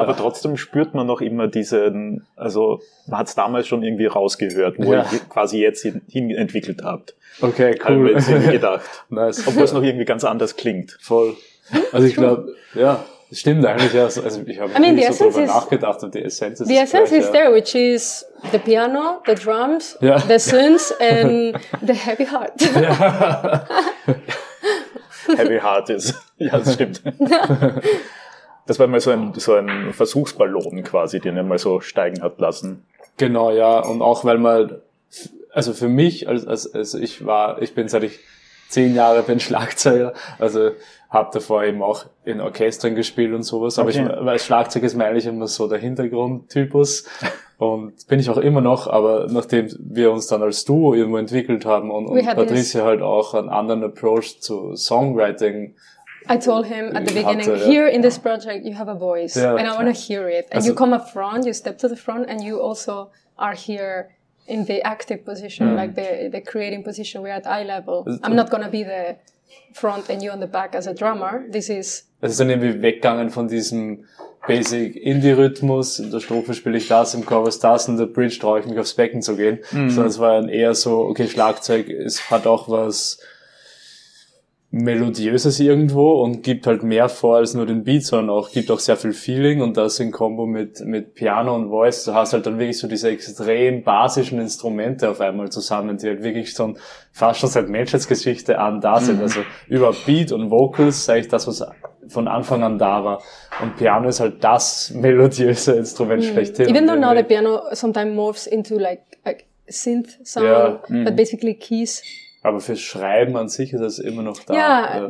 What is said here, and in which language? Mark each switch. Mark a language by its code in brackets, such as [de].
[de] Aber trotzdem spürt man noch immer diesen, also man hat es damals schon irgendwie rausgehört, wo ihr quasi jetzt hin entwickelt habt. Okay, cool. Also jetzt irgendwie gedacht. Nice. Obwohl es noch irgendwie ganz anders klingt. Voll. Also ich glaube, ja. Das stimmt eigentlich, ja. Also ich habe nicht so drüber nachgedacht, und die Essenz ist [en] The Essence [de] gleich, [en] is there, which is the piano, the drums, the synths and the heavy heart. [de] Heavy heart ist, ja, das stimmt. Das war mal so ein Versuchsballon quasi, den er mal so steigen hat lassen. Genau, ja, und auch weil man, also für mich, ich bin seit ich 10 Jahre bin Schlagzeuger, also habe davor eben auch in Orchestern gespielt und sowas, aber weil Schlagzeug ist mir eigentlich immer so der Hintergrundtypus und bin ich auch immer noch, aber nachdem wir uns dann als Duo irgendwo entwickelt haben und Patricia halt auch einen anderen Approach zu Songwriting. [en] I told him at the beginning, here in this project you have a voice and I want to hear it. And also, you come up front, you step to the front and you also are here in the active position, like the creating position, we're at eye level. I'm not gonna be the front and you on the back as a drummer. This is. [de] Es ist dann irgendwie weggegangen von diesem Basic Indie-Rhythmus. In der Strophe spiele ich das, im Chorus ist das, in der Bridge traue ich mich aufs Becken zu gehen. Sondern es war dann eher so, okay, Schlagzeug, es hat auch was Melodiöses irgendwo und gibt halt mehr vor als nur den Beat, sondern auch gibt auch sehr viel Feeling, und das in Kombo mit Piano und Voice, du hast halt dann wirklich so diese extrem basischen Instrumente auf einmal zusammen, die halt wirklich schon fast schon seit Menschheitsgeschichte an da sind. Also über Beat und Vocals sage ich das, was von Anfang an da war. Und Piano ist halt das melodiöse Instrument schlechthin. [en] Even though now the piano sometimes morphs into like synth sound, but basically keys. [de] Aber fürs Schreiben an sich ist das immer noch da.